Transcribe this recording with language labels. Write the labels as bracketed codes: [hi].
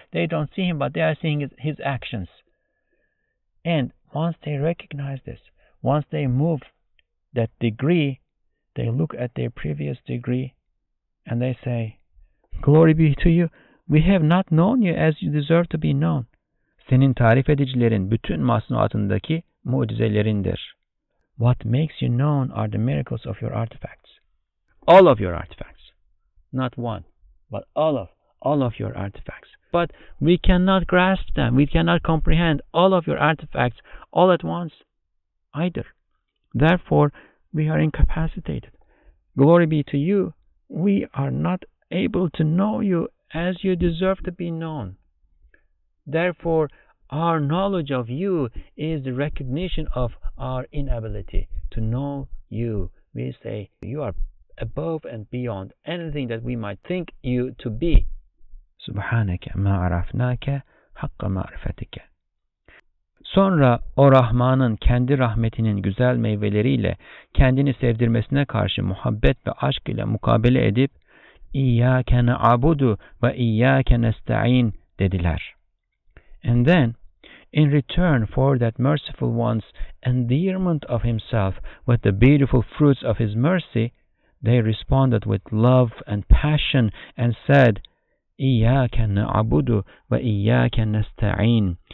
[en] They don't see Him, but they are seeing His actions. And once they recognize this, once they move that degree, they look at their previous degree and they say, glory be to you. We have not known you as you deserve to be known. [tr] Senin tarif edicilerin bütün masnuatındaki mucizelerindir. [en] What makes you known are the miracles of your artifacts. All of your artifacts. Not one, but all of your artifacts. But we cannot grasp them. We cannot comprehend all of your artifacts all at once either. Therefore, we are incapacitated. Glory be to you. We are not able to know you as you deserve to be known. Therefore, our knowledge of you is the recognition of our inability to know you. We say you are above and beyond anything that we might think you to be. [ar] Subhanaka ma arafnaka haqqa ma'rifatika. [tr] Sonra o Rahman'ın kendi rahmetinin güzel meyveleriyle kendini sevdirmesine karşı muhabbet ve aşk ile mukabele edip [ar] İyyâke ne'abudu ve İyyâke nesta'in [tr] dediler. [en] And then, in return for that merciful one's endearment of himself with the beautiful fruits of his mercy, they responded with love and passion and said, [ar] İyyâke ne'abudu ve İyyâke nesta'in.